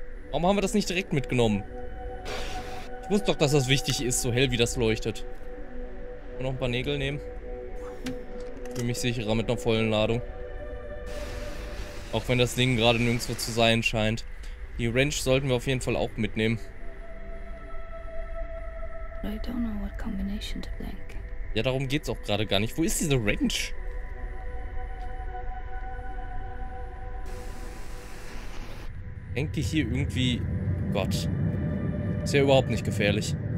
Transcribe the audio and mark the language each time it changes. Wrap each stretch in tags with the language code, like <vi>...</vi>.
<de>Warum haben wir das nicht direkt mitgenommen? Ich wusste doch, dass das wichtig ist, so hell wie das leuchtet. Und noch ein paar Nägel nehmen. Für mich sicherer mit einer vollen Ladung. Auch wenn das Ding gerade nirgendwo zu sein scheint. Die Wrench sollten wir auf jeden Fall auch mitnehmen.</de> <en>I don't know what combination to blank.</en> <de>Ja, darum geht's auch gerade gar nicht. Wo ist diese Wrench? Hängt die hier irgendwie... Gott. Ist ja überhaupt nicht gefährlich.</de>